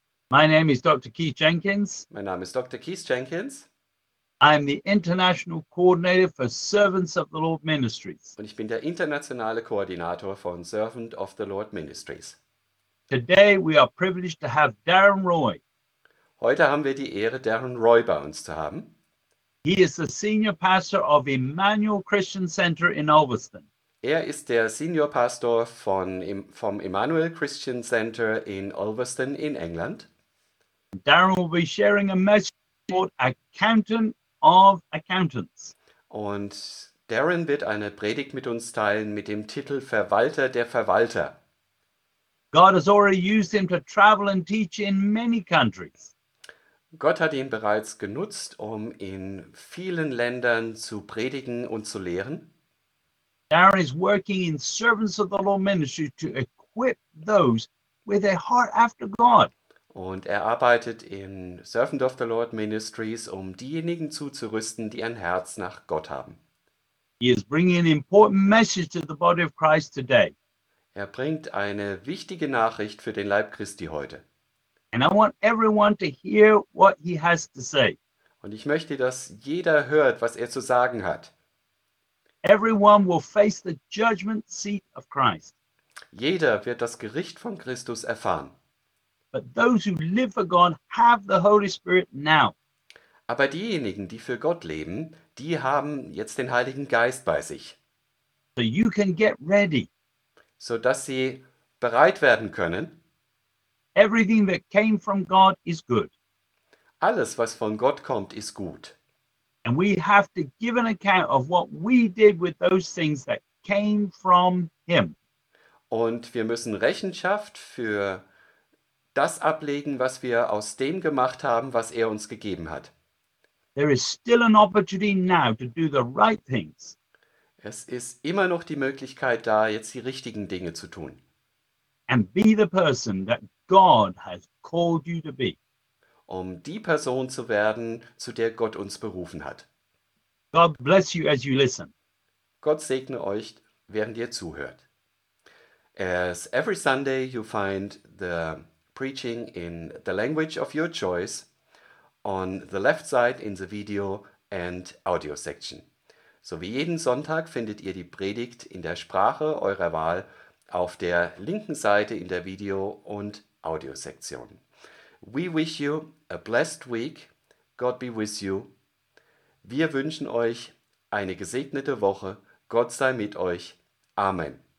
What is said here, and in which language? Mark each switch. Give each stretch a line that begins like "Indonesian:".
English: My name is Dr. Keith Jenkins.
German: Mein Name ist Dr. Keith Jenkins.
English: I am the International Coordinator for Servants of the Lord Ministries.
German: Und ich bin der internationale Koordinator von Servant of the Lord Ministries.
English: Today we are privileged to have Darren Roy.
German: Heute haben wir die Ehre, Darren Roy bei uns zu haben.
English: He is the Senior Pastor of Emmanuel Christian Center in Ulverston.
German: Er ist der Senior Pastor vom Emmanuel Christian Center in Ulverston in England.
English: Darren will be sharing a message called Accountant of Accountants.
German: Und Darren wird eine Predigt mit uns teilen mit dem Titel Verwalter der Verwalter.
English: God has already used him to travel and teach in many countries.
German: Gott hat ihn bereits genutzt, um in vielen Ländern zu predigen und zu lehren.
English: Darren is working in Servants of the Lord Ministry to equip those with a heart after God.
German: Und er arbeitet in Servant of the Lord Ministries, um diejenigen zuzurüsten, die ein Herz nach Gott haben.
English: He is bringing an important message to the body of Christ today.
German: Er bringt eine wichtige Nachricht für den Leib Christi heute.
English: And I want everyone to hear what he has to say.
German: Und ich möchte, dass jeder hört, was er zu sagen hat.
English: Everyone will face the judgment seat of Christ.
German: Jeder wird das Gericht von Christus erfahren.
English: But those who live for God have the Holy Spirit now.
German: Aber diejenigen, die für Gott leben, die haben jetzt den Heiligen Geist bei sich.
English: So you can get ready.
German: So dass sie bereit werden können.
English: Everything that came from God is good.
German: Alles, was von Gott kommt, ist gut.
English: And we have to give an account of what we did with those things that came from him.
German: Und wir müssen Rechenschaft für das ablegen, was wir aus dem gemacht haben, was er uns gegeben hat.
English: There is still an opportunity now to do the right things.
German: Es ist immer noch die Möglichkeit da, jetzt die richtigen Dinge zu tun.
English: And be the person that God has called you to be.
German: Um die Person zu werden, zu der Gott uns berufen hat.
English: God bless you as you listen.
German: Gott segne euch, während ihr zuhört.
English: As every Sunday you find the preaching in the language of your choice on the left side in the video and audio section.
German: So wie jeden Sonntag findet ihr die Predigt in der Sprache eurer Wahl auf der linken Seite in der Video- und Audio-Sektion.
English: We wish you a blessed week. God be with you.
German: Wir wünschen euch eine gesegnete Woche. Gott sei mit euch. Amen.